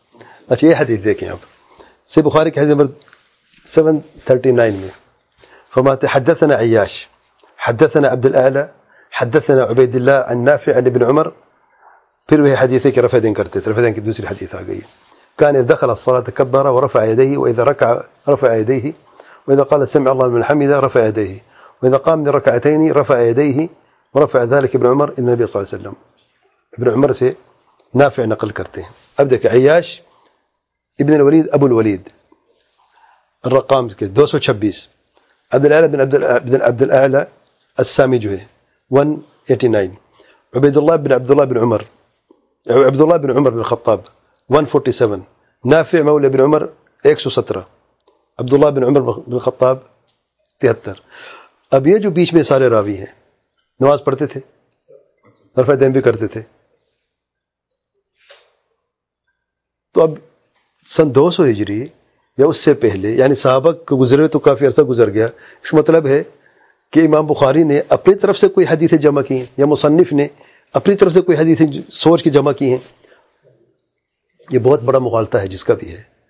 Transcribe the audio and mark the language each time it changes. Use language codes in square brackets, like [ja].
[ur] اچھا, یہ حدیث دیکھیں آپ, صحیح بخاری کی حدیث نمبر 739 میں فرماتے, [ar] حدثنا عیاش حدثنا عبد الاعلی حدثنا عبید اللہ عن نافع عن ابن عمر, [ur] پھر وہ حدیث ہے کہ رفع دین کرتے تھے, رفع دین کی دوسری حدیث آ گئی. [ar] كان دخل الصلاة كبر ورفع يديه, وإذا ركع رفع يديه, وإذا قال سمع الله لمن حمده رفع يديه, وإذا قام من ركعتين رفع يديه, ورفع ذلك ابن عمر إلى النبي صلى الله عليه وسلم. [ur] ابن عمر سے نافع نقل کرتے ہیں. [ar] ابدك عياش ابن الوليد أبو الوليد الرقام 226, عبد الأعلى بن عبد الأعلى السامي جوه 189, عبيد الله بن عبد الله بن عمر, عبد الله بن عمر بن الخطاب 147, نافع مولى بن عمر 117, عبد الله بن عمر بن الخطاب 73. [ur] اب یہ جو بیچ میں سارے راوی ہیں, نماز پڑھتے تھے, رفع دین بھی کرتے تھے, تو اب سن 200 ہجری یا اس سے پہلے, یعنی صحابہ کے گزرے تو کافی عرصہ گزر گیا, اس کا مطلب ہے کہ امام بخاری نے اپنی طرف سے کوئی حدیثیں جمع کی ہیں یا مصنف نے اپنی طرف سے کوئی حدیثیں سوچ کے جمع کی ہیں؟ یہ بہت بڑا مغالطہ ہے جس کا بھی ہے.